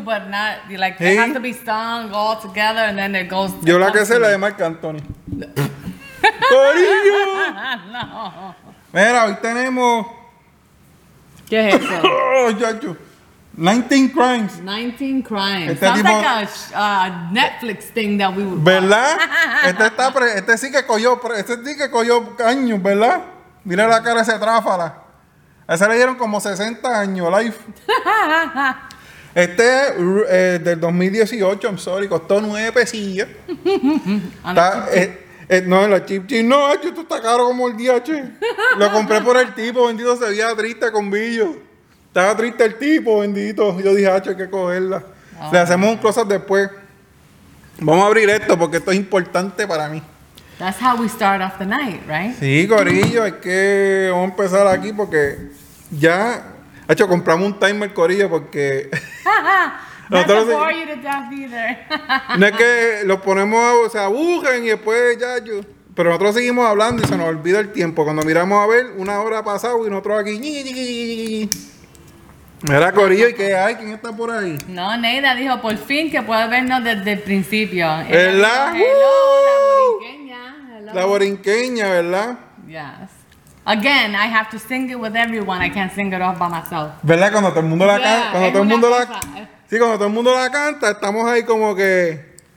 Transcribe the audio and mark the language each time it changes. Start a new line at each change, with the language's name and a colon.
English: But not, like, they have to be sung all together, and then it goes...
Spanish: Yo la que sé la de Marc Anthony. ¡Corillo! No. Mira, hoy tenemos... ¿Qué es eso? Chacho. 19 crimes.
English: 19 crimes.
Spanish: Este
English: sounds tipo... like a Netflix thing that we would...
Spanish: ¿Verdad? Este sí que cogió años, ¿verdad? Mira la cara de ese tráfala. A ese le dieron como 60 años, life. Este es del 2018,
English: I'm sorry,
Spanish: costó 9 pesillas. Está, no, en la chip chip, no, esto está caro como el día, che. Lo compré por el tipo, bendito, se veía triste con Billo. Estaba triste el tipo, bendito. Yo dije, hay que cogerla. Oh, le hacemos un cosas después. Vamos a abrir esto porque esto es importante para mí.
English: That's how we start off the night, right?
Spanish: Sí, corillo, es que vamos a empezar aquí porque ya... De hecho, compramos un timer, corillo, porque...
English: Not to bore you to death either.
Spanish: No es que los ponemos, o sea, aburren y después ya yo... Pero nosotros seguimos hablando y se nos olvida el tiempo. Cuando miramos a ver, una hora ha pasado y nosotros aquí... Mira, corillo, ¿y qué hay? ¿Quién está por ahí? No, Neida dijo, por fin, que puede vernos desde el principio. ¿Verdad? Dijo, hello, la borinqueña. Hello. La borinqueña, ¿verdad?
English: Yes. Again, I have to sing it with everyone. I can't sing it off by myself.
Spanish: ¿Verdad? Cuando todo el mundo la canta, cuando todo el mundo la... Sí, cuando todo el mundo la canta, estamos ahí como que...